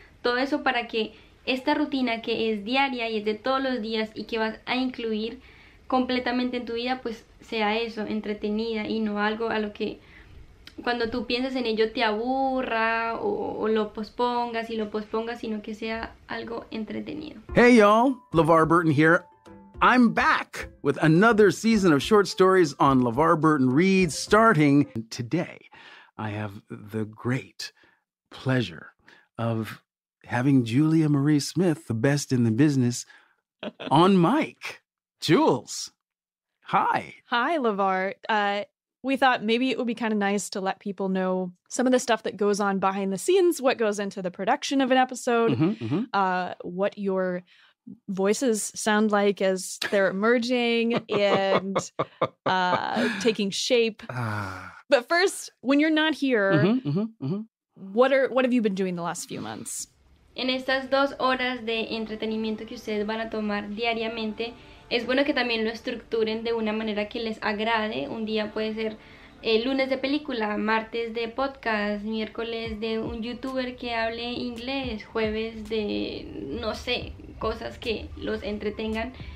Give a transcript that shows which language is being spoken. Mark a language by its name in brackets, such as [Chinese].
[Spanish] Todo eso para que esta rutina que es diaria y es de todos los días y que vas a incluir completamente en tu vida, pues sea eso, entretenida y no algo a lo que cuando tú piensas en ello te aburra o lo pospongas y lo pospongas, sino que sea algo entretenido. [English] Hey y'all, LeVar Burton here. I'm back with another season of short stories on LeVar Burton Reads starting today. I have the great pleasure of having Julia Marie Smith, the best in the business, on mic. Jules, hi. Hi, LeVar. We thought maybe it would be kind of nice to let people know some of the stuff that goes on behind the scenes, what goes into the production of an episode, what your voices sound like as they're emerging and taking shape. But first, when you're not here, what have you been doing the last few months? [Spanish] En estas dos horas de entretenimiento que ustedes van a tomar diariamente, es bueno que también lo estructuren de una manera que les agrade. Un día puede ser lunes de película, martes de podcast, miércoles de un youtuber que hable inglés, jueves de, no sé, cosas que los entretengan.